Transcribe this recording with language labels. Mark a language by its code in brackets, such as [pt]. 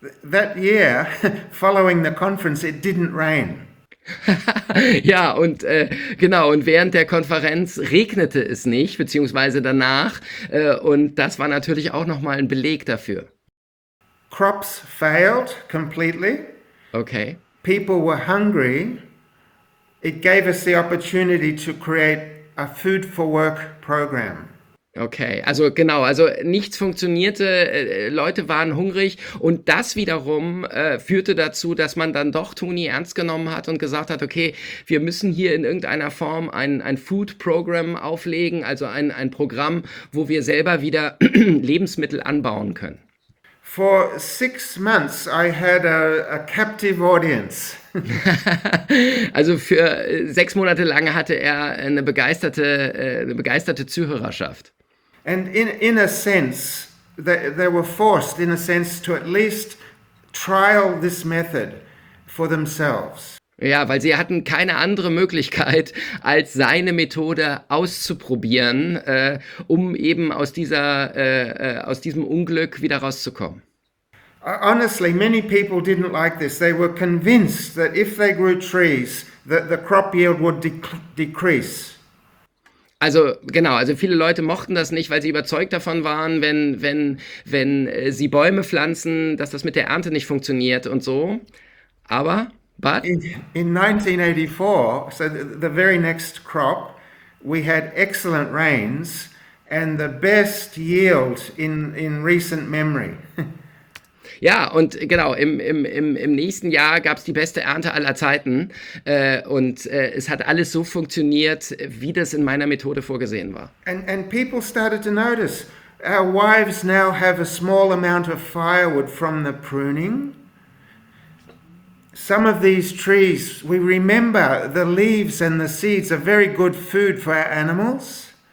[en] That year, following the conference, it didn't rain. [de] Ja, und genau, und während der Konferenz regnete es nicht, beziehungsweise danach, und das war natürlich auch nochmal ein Beleg dafür. [en] Crops failed completely. Okay. People were hungry. It gave us the opportunity to create a food for work program. [de] Okay, also genau, also nichts funktionierte, Leute waren hungrig und das wiederum führte dazu, dass man dann doch Tony ernst genommen hat und gesagt hat, okay, wir müssen hier in irgendeiner Form ein Food Program auflegen, also ein Programm, wo wir selber wieder Lebensmittel anbauen können. [en] For 6 months I had a captive audience. [de] Also für 6 Monate lang hatte er eine begeisterte Zuhörerschaft. [en] And in a sense, they were forced, in a sense, to at least trial this method for themselves. [de] Ja, weil sie hatten keine andere Möglichkeit, als seine Methode auszuprobieren, um eben aus diesem Unglück wieder rauszukommen. [en] Honestly, many people didn't like this. They were convinced that if they grew trees, that the crop yield would decrease. [de] Also genau, also viele Leute mochten das nicht, weil sie überzeugt davon waren, wenn sie Bäume pflanzen, dass das mit der Ernte nicht funktioniert und so. Aber, but? [en] In 1984, so the very next crop, we had excellent rains and the best yield in recent memory. [de] Ja, und genau, im nächsten Jahr gab es die beste Ernte aller Zeiten und es hat alles so funktioniert, wie das in meiner Methode vorgesehen war. [en] And people started to notice, our wives now have a small amount of firewood from the pruning. Some of these trees, we remember the leaves and the seeds are very good food for our animals.